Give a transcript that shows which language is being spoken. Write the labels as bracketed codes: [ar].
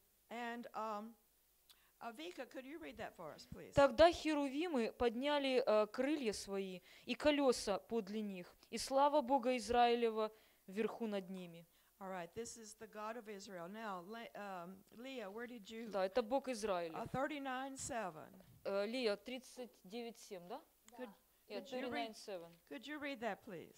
[en] And Avika, could you read that for us, please? [ru] Тогда херувимы подняли крылья свои и колеса подле них, и слава Бога Израилева вверху над ними. [en] All right, this is the God of Israel. Now, Leah, where did you? [ru] Да, это Бог Израиля. 39:7. Лия, 39:7, да? Да. [en] Could you read that, please?